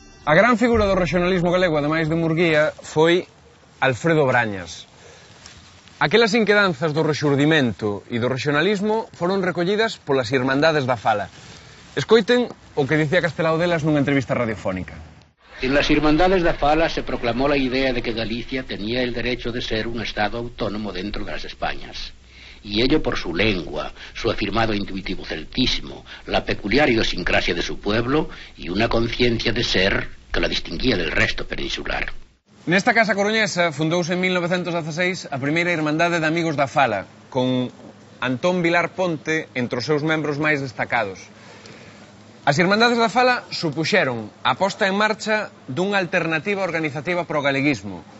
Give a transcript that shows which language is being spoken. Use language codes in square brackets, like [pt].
[gl] A gran figura do rexionalismo galego, ademais de Murguía, foi Alfredo Brañas. Aquelas inquedanzas do rexurdimento e do rexionalismo foron recollidas polas Irmandades da Fala. Escoiten o que dicía Castelao delas nunha entrevista radiofónica. [es] En las Irmandades da Fala se proclamó la idea de que Galicia tenía el derecho de ser un estado autónomo dentro de las Españas. Y ello por su lengua, su afirmado intuitivo celtismo, la peculiar idiosincrasia de su pueblo y una conciencia de ser que la distinguía del resto peninsular. [gl] Nesta casa coruñesa fundouse en 1916 a primeira Irmandade de Amigos da Fala, con Antón Vilar Ponte entre os seus membros máis destacados. As Irmandades da Fala supuxeron a posta en marcha dunha alternativa organizativa para o galeguismo.